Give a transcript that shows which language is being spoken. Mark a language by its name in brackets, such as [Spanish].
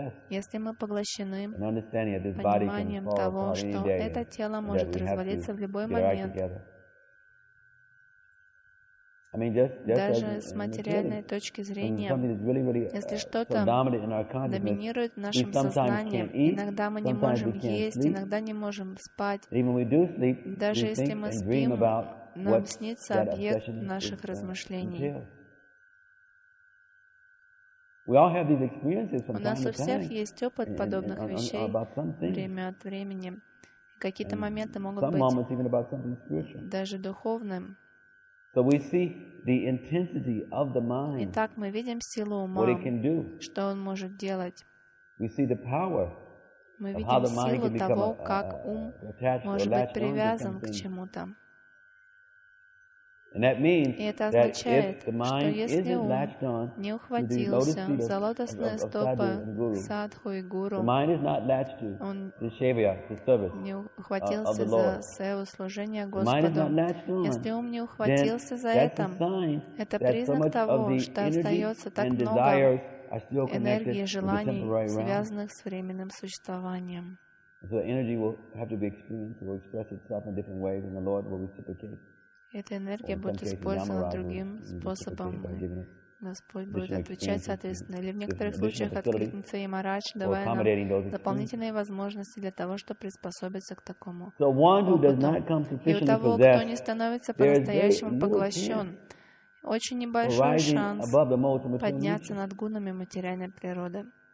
[Russian] Если мы поглощены пониманием того, что это тело может развалиться в любой момент, даже с материальной точки зрения, если что-то доминирует в нашем сознании, иногда мы не можем есть, иногда не можем спать, даже если мы спим, нам снится объект наших размышлений. У нас у всех есть опыт подобных вещей время от времени. Какие-то моменты могут быть даже духовным. [English] So we see the intensity of the mind. [Russian] Итак, мы видим силу ума. [English] What it can do. [Russian] Что он может делать? [English] We see the power. [Russian] Мы видим силу того, как ум может быть привязан к чему-то. [English] And that means [Russian] и это означает, что если ум не ухватился за лотосные стопы садху и гуру, он не ухватился за сева служения Господу, если ум не ухватился за это, это признак того, что остается так много энергии и желаний, связанных с временным существованием. [English] So energy will have to be experienced, will express itself in different ways, and the Lord will reciprocate. [Russian] Эта энергия будет использована другим способом. Господь будет отвечать соответственно. Или в некоторых случаях откликнется Ямарадж, давая нам дополнительные возможности для того, чтобы приспособиться к такому опыту. И у того, кто не становится по-настоящему поглощен, очень небольшой шанс подняться над гунами материальной природы.